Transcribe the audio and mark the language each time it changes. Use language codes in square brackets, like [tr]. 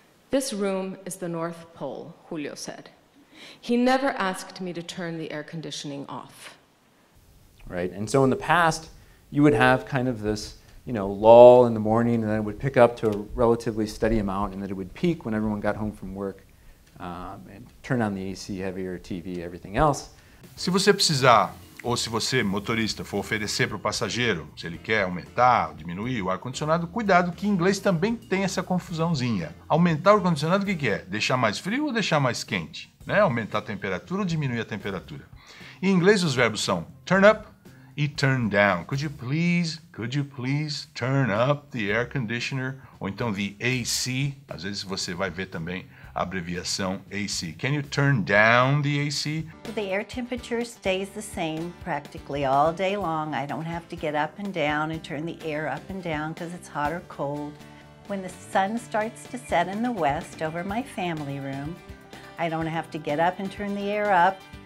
[en] This room is the North Pole, Julio said. He never asked me to turn the air conditioning off. Right, and so in the past, you would have kind of this, you know, lull in the morning, and then it would pick up to a relatively steady amount, and then it would peak when everyone got home from work, and turn on the AC, heavier TV, everything else. [pt] Se você precisar, ou se você, motorista, for oferecer para o passageiro, se ele quer aumentar, diminuir o ar-condicionado, cuidado que em inglês também tem essa confusãozinha. Aumentar o ar-condicionado, o que que é? Deixar mais frio ou deixar mais quente? Né? Aumentar a temperatura ou diminuir a temperatura. Em inglês, os verbos são turn up e turn down. [en] Could you please turn up the air conditioner? [pt] Ou então the AC. Às vezes você vai ver também a abreviação AC. [en] Can you turn down the AC? The air temperature stays the same practically all day long. I don't have to get up and down and turn the air up and down because it's hot or cold. When the sun starts to set in the west over my family room, I don't have to get up and turn the air up.